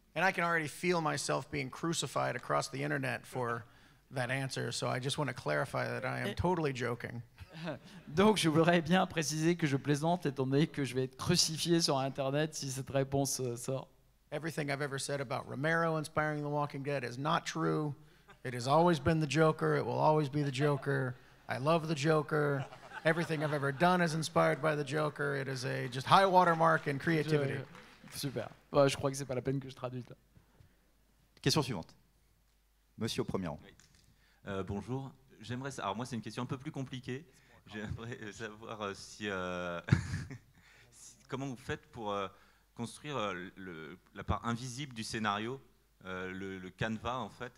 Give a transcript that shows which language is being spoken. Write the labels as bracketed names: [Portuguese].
[English] And I can already feel myself being crucified across the internet for that answer, so I just want to clarify that I am totally joking. [French] Donc je voudrais bien préciser que je plaisante étant donné que je vais être crucifié sur internet si cette réponse sort. [English] Everything I've ever said about Romero inspiring The Walking Dead is not true. It has always been the Joker. It will always be the Joker. I love the Joker. Everything I've ever done is inspired by the Joker. It is a just high watermark in creativity. [French] Super. Bon, je crois que c'est pas la peine que je traduise là. Question suivante. Monsieur au premier rang. Bonjour. J'aimerais savoir, alors moi c'est une question un peu plus compliquée, j'aimerais savoir comment vous faites pour construire la part invisible du scénario, le canevas en fait.